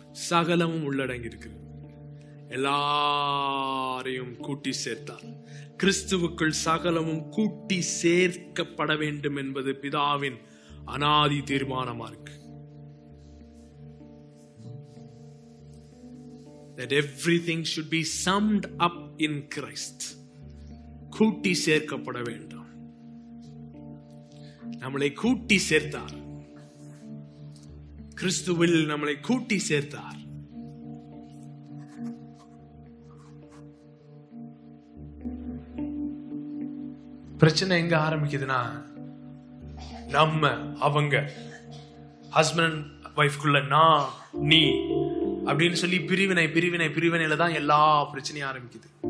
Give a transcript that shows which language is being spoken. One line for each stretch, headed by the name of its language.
Tamil: சகலமும் உள்ளடங்கி இருக்கிறது. எல்லாரையும் கூட்டி சேர்த்தார். கிறிஸ்துவுக்குள் சகலமும் கூட்டி சேர்க்கப்பட வேண்டும் என்பது பிதாவின் அனாதி தீர்மானமாக இருக்கு.
English: That everything should be summed up in Christ.
Tamil: கூட்டி சேர்க்கப்பட வேண்டும். நம்மளை கூட்டி சேர்த்தார் கிறிஸ்துவில், நம்மளை கூட்டி சேர்த்தார். பிரச்சனை எங்க ஆரம்பிக்குதுன்னா, நம்ம அவங்க ஹஸ்பண்ட் வைஃப்குள்ள நான் நீ அப்படின்னு சொல்லி பிரிவினை பிரிவினை பிரிவினையில தான் எல்லா பிரச்சனையும் ஆரம்பிக்குது.